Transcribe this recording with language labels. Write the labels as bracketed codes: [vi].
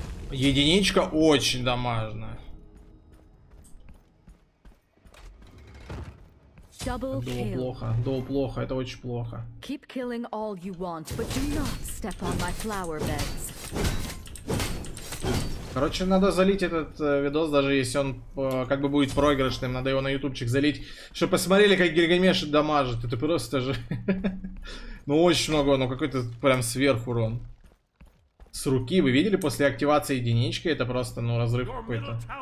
[ru] Единичка очень дамажная. Дуо плохо, это очень плохо. [en] Keep killing all you want, but do not step on my flower beds. [ru] Короче, надо залить этот видос, даже если он как бы будет проигрышным, надо его на ютубчик залить, чтобы посмотрели, как Гильгамеш дамажит. Это просто же... Ну очень много, ну какой-то прям сверх урон. С руки, вы видели, после активации единички, это просто, ну, разрыв какой-то.